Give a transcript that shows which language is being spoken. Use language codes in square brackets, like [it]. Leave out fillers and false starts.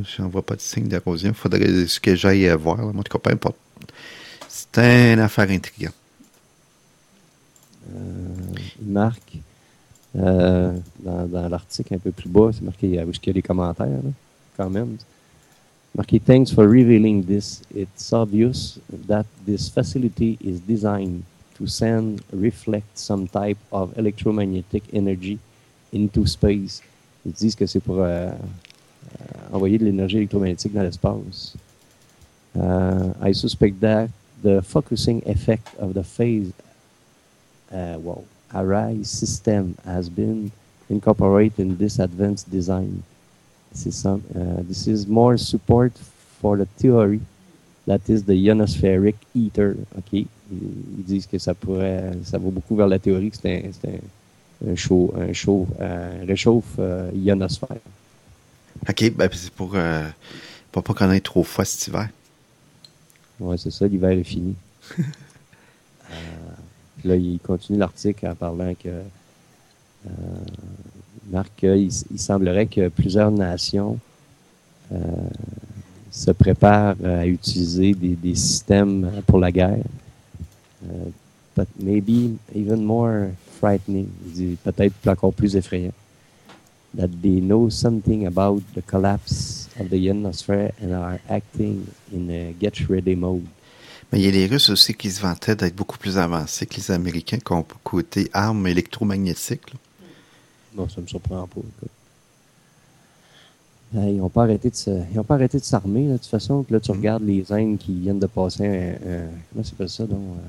[fr] Si on voit pas de signes d'érosion, il faudrait ce que j'aille voir. Là, moi, peu importe. C'est une affaire intrigante. Dans l'article un peu plus bas, c'est marqué, où est-ce qu'il y a des commentaires, là, quand même. [en] Marqué, thanks for revealing this. It's obvious that this facility is designed to send, reflect some type of electromagnetic energy into space. [fr] Ils disent que c'est pour envoyer de l'énergie électromagnétique dans l'espace. [en] I suspect that the focusing effect of the phase Array system has been incorporated in this advanced design. This is more support for the theory that is the ionospheric ether. Okay. [fr] Ils disent que ça va beaucoup vers la théorie que c'est un réchauffe ionosphère. OK, ben c'est pour pas qu'on ait trop froid cet hiver. Oui, c'est ça, l'hiver est fini. Là, il continue l'article en parlant que Marc, il semblerait que plusieurs nations se préparent à utiliser des systèmes pour la guerre. [en] But maybe even more frightening, [fr] peut-être encore plus effrayant, [en] that they know something about the collapse of the ionosphere and are acting in a get-ready mode. [fr] Mais il y a les Russes aussi qui se vantaient d'être beaucoup plus avancés que les Américains côté armes électromagnétiques. Non, ça me surprend pas. Ils n'ont pas arrêté de s'armer, là, de toute façon. Puis là, tu regardes les Indes qui viennent de passer comment c'est pas ça, donc?